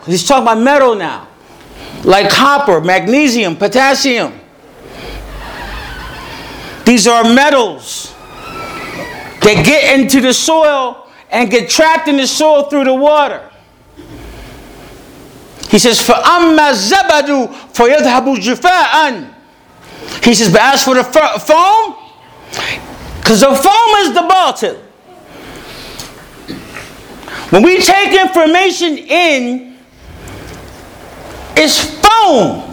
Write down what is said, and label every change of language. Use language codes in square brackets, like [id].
[en] He's talking about metal now. Like copper, magnesium, potassium. These are metals. They get into the soil and get trapped in the soil through the water. He says, [ar] فَأَمَّا الزَّبَدُ فَيَذْهَبُ جُفَاءً. [en] He says, but as for the foam, because the foam is the bottle. When we take information in, it's foam.